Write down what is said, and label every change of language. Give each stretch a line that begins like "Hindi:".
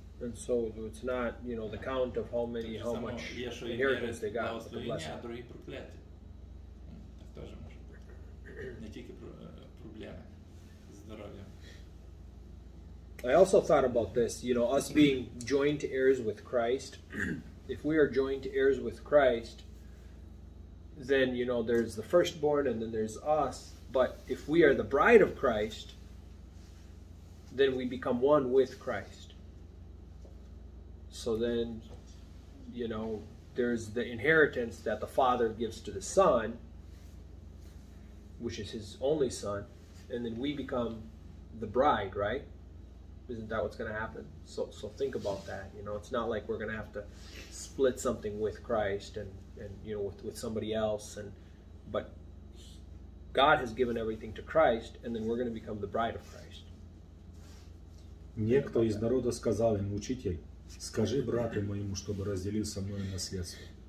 English: And so it's not, you know, the count of how many, how much inheritance they got, but the blessing.
Ukrainian: А другі прокляття. Так теж може бути. Не тільки проблеми з здоров'ям.
English: I also thought about this, you know, us being joint heirs with Christ. If we are joint heirs with Christ, then, you know, there's the firstborn and then there's us. But if we are the bride of Christ, then we become one with Christ. So then, you know, there's the inheritance that the Father gives to the Son, which is His only Son, and then we become the bride, right? Isn't that what's going to happen? So think about that. You know, it's not like we're going to have to split something with Christ and you know, with somebody else. But God has given everything to Christ, and then we're going to become the bride of Christ.
Russian: Некто из народа сказал ему, учитель, скажи брату моему, чтобы разделил со мною наследство.